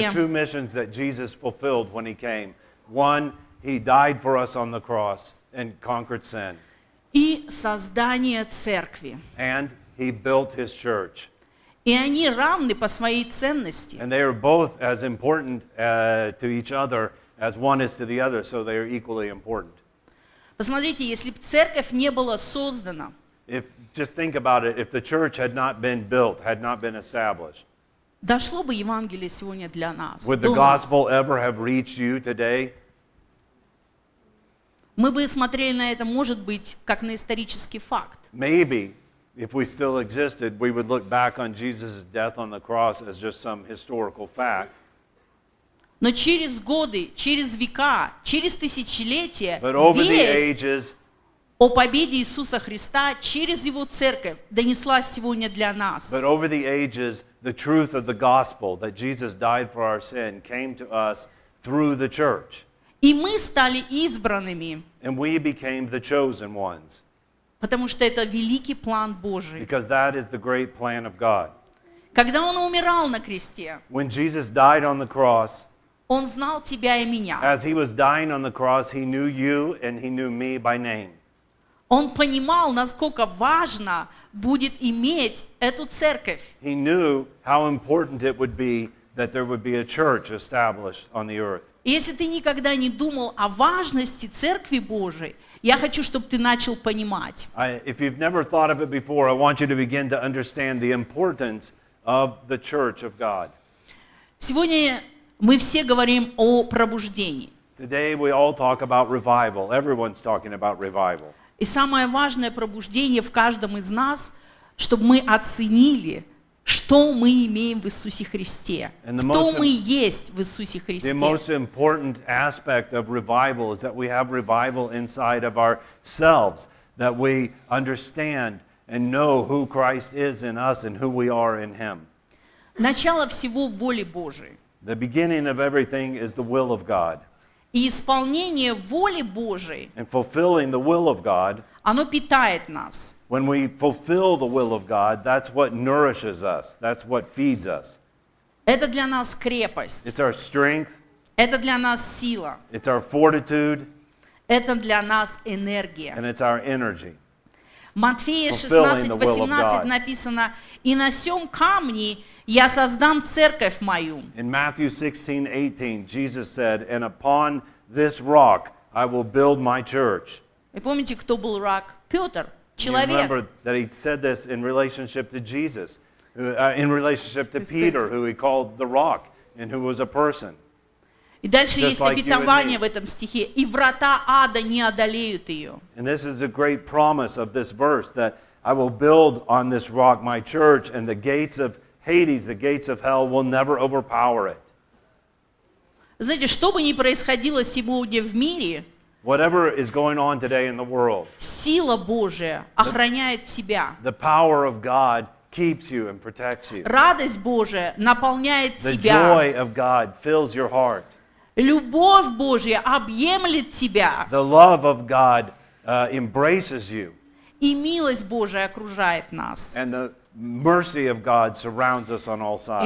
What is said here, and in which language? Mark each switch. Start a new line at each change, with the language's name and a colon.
English: There are two missions that Jesus fulfilled when he came. One, he died for us on the cross and conquered sin.
Russian: И создание церкви.
English: And he built his church.
Russian: И они равны по своей ценности.
English: And they are both as important to each other as one is to the other, so they are equally important.
Russian: Посмотрите, если бы церковь не была создана,
English: if, just think about it, if the church had not been built, had not been established,
Russian: дошло бы Евангелие сегодня для нас,
English: would the gospel ever have reached you today?
Russian: Мы бы смотрели на это, может быть, как на исторический факт.
English: Maybe, if we still existed, we would look back on Jesus' death on the cross as just some historical fact.
Russian: Но через годы, через века, через тысячелетия весть о победе Иисуса Христа через Его Церковь донеслась сегодня для нас.
English: But over the ages, the truth of the gospel, that Jesus died for our sin, came to us through the church.
Russian: И мы стали избранными.
English: And we became the chosen ones.
Russian: Потому что это великий план Божий.
English: Because that is the great plan of God.
Russian: Когда Он умирал на кресте,
English: when Jesus died on the cross,
Russian: Он знал тебя и меня.
English: As he was dying on the cross, he knew you and he knew me by name.
Russian: Он понимал, насколько важно будет иметь эту церковь.
English: He knew how important it would be that there would be a church established on the earth.
Russian: Если ты никогда не думал о важности церкви Божией, я хочу, чтобы ты начал понимать.
English: If you've never thought of it before, I want you to begin to understand the importance of the church of God.
Russian: Сегодня Мы все говорим о пробуждении.
English: Today we all talk about revival. Everyone's talking about revival.
Russian: И самое важное пробуждение в каждом из нас, чтобы мы оценили, что мы имеем в Иисусе Христе. Кто мы есть в Иисусе Христе.
English: The most important aspect of revival is that we have revival inside of ourselves, that we understand and know who Christ is in us and who we are in Him.
Russian: Начало всего в воле Божией.
English: The beginning of everything is the will of God.
Russian: И исполнение воли Божией.
English: And fulfilling the will of God.
Russian: Оно питает нас.
English: When we fulfill the will of God, that's what nourishes us. That's what feeds us.
Russian: Это для нас крепость.
English: It's our strength.
Russian: Это для нас сила.
English: It's our fortitude.
Russian: Это для нас энергия.
English: And it's our energy.
Russian: Матфея 16:18 написано: «И на сём камне я создам церковь мою».
English: In Matthew 16:18, Jesus said, «And upon this rock I will build my church».
Russian: И помните, кто был рок? Пётр, человек.
English: You remember that he said this in relationship to Jesus, in relationship to Peter, who he called the rock, and who was a person.
Russian: И дальше есть обетование в этом стихе: «И врата ада не одолеют ее».
English: And this is a great promise of this verse, that I will build on this rock my church, and the gates of Hades, the gates of hell, will never overpower it.
Russian: Знаете, что бы ни происходило сегодня в мире,
English: whatever is going on today in the world,
Russian: сила Божия охраняет себя.
English: The power of God keeps you and protects you.
Russian: Радость Божия наполняет
English: the
Russian: себя.
English: The joy of God fills your heart.
Russian: Любовь Божия объемлет тебя.
English: The love of God embraces you.
Russian: И милость Божия окружает нас.
English: And the mercy of God surrounds us on all sides.